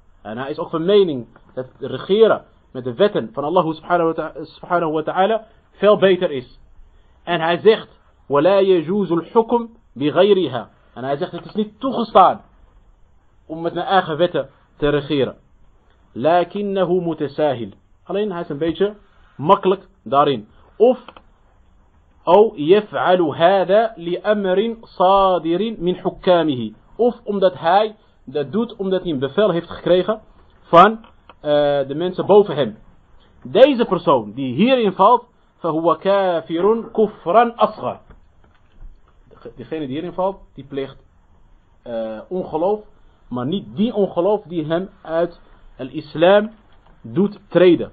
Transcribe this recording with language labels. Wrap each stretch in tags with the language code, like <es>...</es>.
<nl>En hij is ook van mening dat regeren met de wetten van Allah subhanahu wa ta'ala veel beter is. En hij zegt:</nl> <ar>Wa la yajuzu al hukm bi ghayriha.</ar> <nl>En hij zegt: Het is niet toegestaan om met mijn eigen wetten te regeren.</nl> <ar>Lakinnahu mutasahil.</ar> <nl>Alleen hij is een beetje makkelijk daarin.</nl> <ar>Of يفعل هذا لأمر صادر من حكامه.</ar> <nl>Of omdat hij dat doet omdat hij een bevel heeft gekregen van de mensen boven hem. deze persoon die hierin valt,</nl> <ar>فَهُوَ كَافِرٌ كُفْرًا أَصْغَرٌ.</ar> <nl>Degene die hierin valt, die pleegt ongeloof, maar niet die ongeloof die hem uit het islam doet treden.</nl>